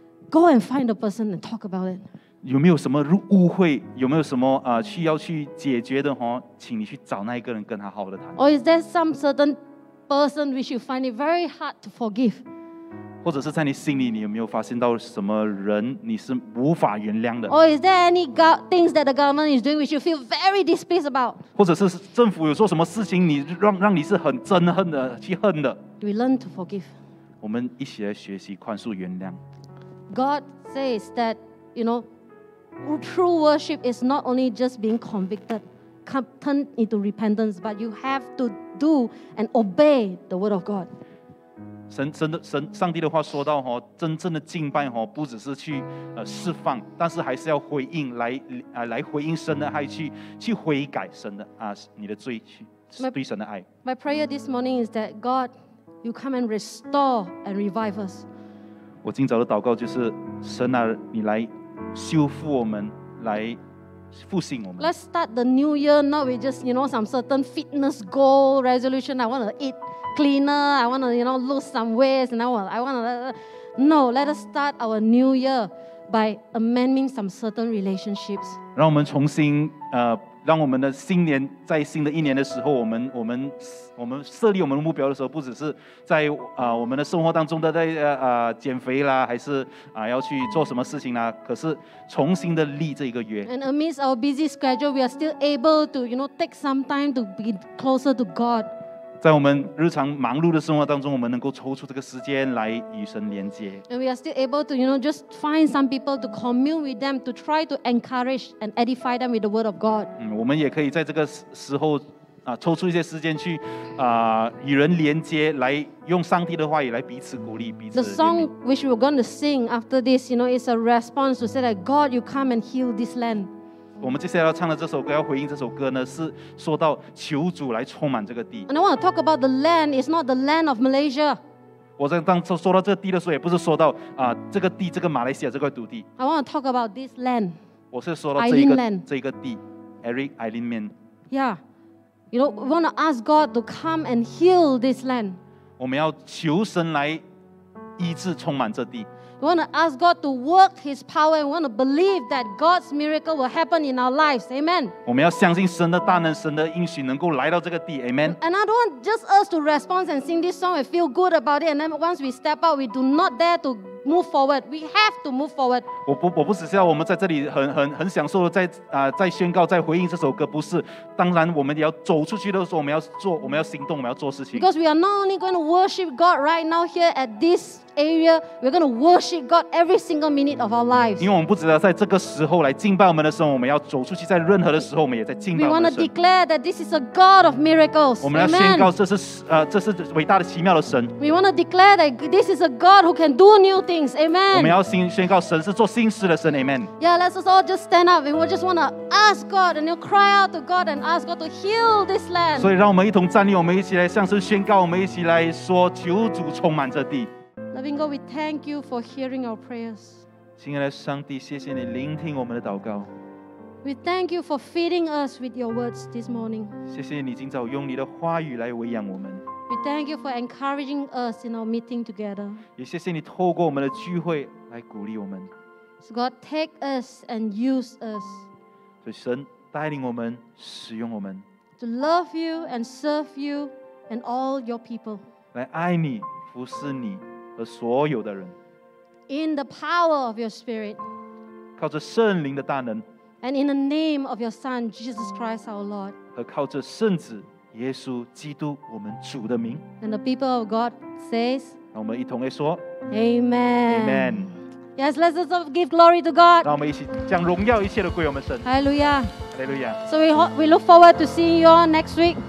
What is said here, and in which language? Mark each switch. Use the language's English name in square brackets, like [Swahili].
[English] Go and find the person and talk about it. [Chinese] 有没有什么误会？有没有什么需要去解决的？哈，请你去找那一个人，跟他好好的谈。 [English] Or is there some certain person which you find it very hard to forgive? [Chinese] 或者是在你心里，你有没有发现到什么人你是无法原谅的？ [English] Or is there any things that the government is doing which you feel very displeased about? [Chinese] 或者是政府有做什么事情，你让你是很憎恨的，去恨的？ [English] We learn to forgive. [Chinese] 我们一起来学习宽恕原谅。 [English] God says that, you know, true worship is not only just being convicted, turn into repentance, but you have to do and obey the word of God. [Chinese] 上帝的话说到，真正的敬拜不只是去释放，但是还是要回应， 来回应神的爱， 去悔改神的你的罪，对神的爱。 [English] My prayer this morning is that God, you come and restore and revive us. [Chinese] 我今早的祷告就是，神啊，你来修复我们，来复兴我们。 [English] Let's start the new year not with just, you know, some certain fitness goal resolution. I want to eatcleaner, I want to, you know, lose some weight, and I want to, let us start our new year by amending some certain relationships. [Chinese] 让我们重新让我们的新年，在新的一年的时候，我们设立我们的目标的时候，不只是在我们的生活当中的在减肥啦，还是要去做什么事情啦，可是重新的立这一个约。 [English] And amidst our busy schedule, we are still able to, you know, take some time to be closer to God. [Chinese] 在我们日常忙碌的生活当中，我们能够抽出这个时间来与神连接。 [English] And we are still able to, you know, just find some people to commune with them, to try to encourage and edify them with the word of God. [Chinese] 我们也可以在这个时候抽出一些时间去与人连接，来用上帝的话语来彼此鼓励，彼此。 [English] The song which we're going to sing after this, you know, is a response to say that God, you come and heal this land. [Chinese] 我们接下来要唱的这首歌，要回应这首歌呢，是说到求主来充满这个地。 [English] And I want to talk about the land. It's not the land of Malaysia. [Chinese] 我在当初说到这个地的时候，也不是说到这个地，这个马来西亚这块土地。 [English] I want to talk about this land. [Chinese] 我是说到这一个 land. 这一个地 ，Eric Aileen Man. [English] Yeah, you know, we want to ask God to come and heal this land. [Chinese] 我们要求神来医治充满这地。 [English] We want to ask God to work His power. We want to believe that God's miracle will happen in our lives. Amen. [Chinese] 我们要相信神的大能，神的应许能够来到这个地。 [English] Amen. And I don't want just us to respond and sing this song and feel good about it. And then once we step out, we do not dare to move forward. We have to move forward. [Chinese] 我不只是要我们在这里很享受的在宣告，在回应这首歌，不是。当然，我们也要走出去的时候，我们要行动，我们要做事情。 [English] Because we are not only going to worship God right now here at this. Area, we're going to worship God every single minute of our lives. [Chinese] 因为我们不只要在这个时候来敬拜我们的神，我们要走出去，在任何的时候，我们也在敬拜我们的神。 [English] We want to declare that this is a God of miracles. [Chinese] 我们要宣告这是伟大的奇妙的神。 [English] We want to declare that this is a God who can do new things. Amen. [Chinese] 我们要宣告神是做新事的神。 [English] Amen. Yeah, let's us all just stand up, and we just want to ask God, and we'll cry out to God, and ask God to heal this land. [Chinese] 所以让我们一同站立，我们一起来向神宣告，我们一起来说，求主充满这地。 [English] Loving God, we thank you for hearing our prayers. [Chinese] 亲爱的上帝，谢谢你聆听我们的祷告。 [English] We thank you for feeding us with your words this morning. [Chinese] 谢谢你今早用你的话语来喂养我们。 [English] We thank you for encouraging us in our meeting together. [Chinese] 也谢谢你透过我们的聚会来鼓励我们。 [English] So God, take us and use us. [Chinese] 所以神带领我们，使用我们。 [English] to love you and serve you and all your people. [Chinese] 来爱你，服侍你和所有的人。 [English] In the power of your Spirit. [Chinese] 靠着圣灵的大能。 [English] And in the name of your Son Jesus Christ, our Lord. [Chinese] 和靠着圣子耶稣基督我们主的名。 [English] And the people of God says. [Chinese] 让我们一同来说。 [English] Amen. Amen. Yes, let's also give glory to God. [Chinese] 让我们一起将荣耀一切都归我们神。 [English] Hallelujah. Hallelujah. So we look forward to seeing you all next week.